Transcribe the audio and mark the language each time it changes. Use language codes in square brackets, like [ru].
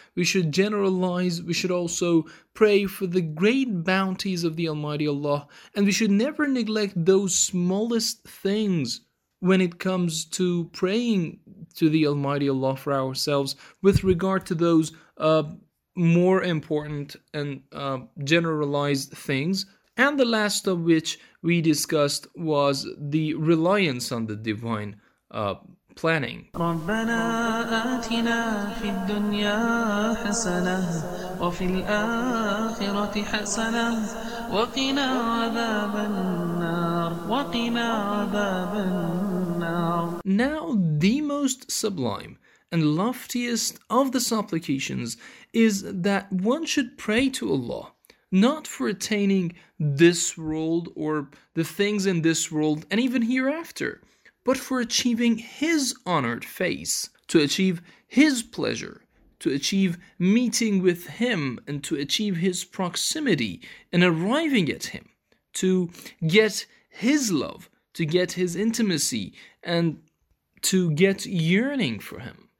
[en] We should generalize, we should also pray for the great bounties of the Almighty Allah, and we should never neglect those smallest things when it comes to praying to the Almighty Allah for ourselves with regard to those more important and generalized things. And the last of which we discussed was the reliance on the divine planning. [ar] ربنا آتنا في الدنيا حسنة وفي الآخرة حسنة وقنا عذاب النار وقنا عذاب النار. [en] Now the most sublime and loftiest of the supplications is that one should pray to Allah not for attaining this world or the things in this world and even hereafter, but for achieving His honored face, to achieve His pleasure, to achieve meeting with Him, and to achieve His proximity and arriving at Him, to get His love, to get His intimacy, and to get yearning for Him.